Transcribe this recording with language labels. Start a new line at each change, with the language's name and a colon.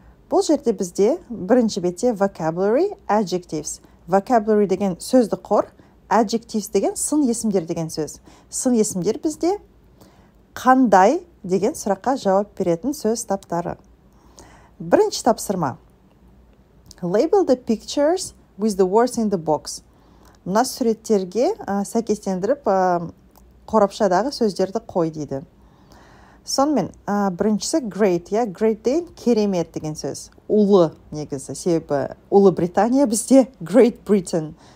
Kazakh: Бұл жерде бізде бірінші бетте vocabulary, adjectives. Vocabulary деген сөзді қор, adjectives деген сын есімдер деген сөз. Сын есімдер бізде қандай деген сұраққа жауап беретін сөз таптары. Бірінші тапсырма.
English: Label the pictures with the words in the box.
Kazakh: Мына суреттерге сәйкестендіріп, қорапшадағы сөздерді қой дейді. Сонымен біріншісі great, я great деген керемет деген сөз. Улы негізі, себебі Улы Британия бізде Great Britain.